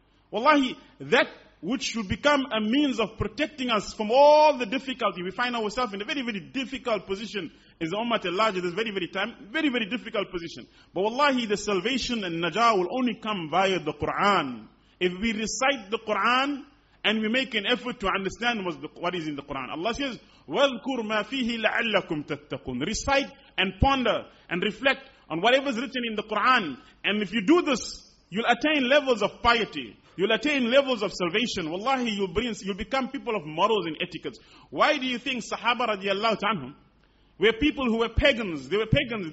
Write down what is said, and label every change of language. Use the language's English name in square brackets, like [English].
[English] Wallahi, that which should become a means of protecting us from all the difficulty. We find ourselves in a very, very difficult position. Is the Ummah at large, this very, very time, very, very difficult position. But wallahi, the salvation and najah will only come via the Quran. If we recite the Quran and we make an effort to understand what is in the Quran. Allah says, [Arabic] وَذْكُرْ مَا فِيهِ لَعَلَّكُمْ تَتَّقُونَ. [English] Recite and ponder and reflect on whatever is written in the Quran. And if you do this, you'll attain levels of piety. You'll attain levels of salvation. Wallahi, you'll become people of morals and etiquettes. Why do you think Sahaba radiallahu ta'anhu were people who were pagans? They were pagans.